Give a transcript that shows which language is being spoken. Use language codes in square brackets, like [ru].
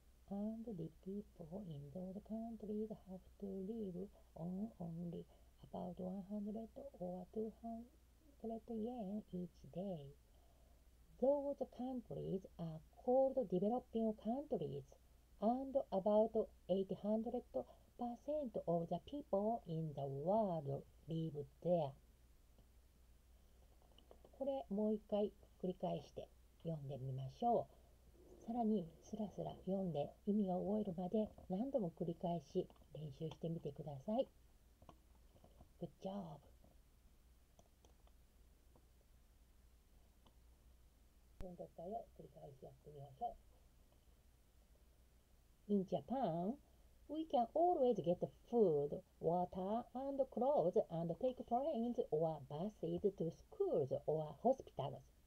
[en] And the people in those countries have to live on only about 100 or 200 yen each day. Those countries are called developing countries, and about 800% of the people in the world live there. [ja] これもう一回繰り返して読んでみましょう。さらにスラスラ読んで意味を覚えるまで何度も繰り返し練習してみてください。 [en] Good job! [ja] この段階を繰り返しやってみましょう。 [en] In Japan,We can always get food, water, and clothes, and take trains or buses to schools or hospitals.